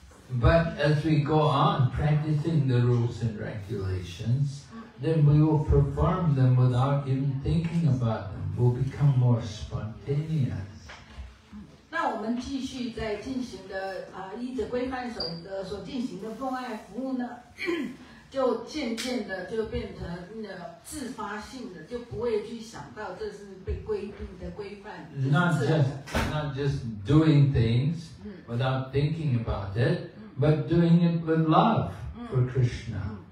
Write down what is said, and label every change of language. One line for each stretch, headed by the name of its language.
English: But as we go on practicing the rules and regulations, then we will perform them without even thinking about them. We'll become more spontaneous.
Chinese: 那我们继续在进行的依着规范守的所进行的奉爱服务呢，就渐渐的就变成自发性的，就不会去想到这是被规定的规范。
English: Not just doing things without thinking about it, but doing it with love for Krishna.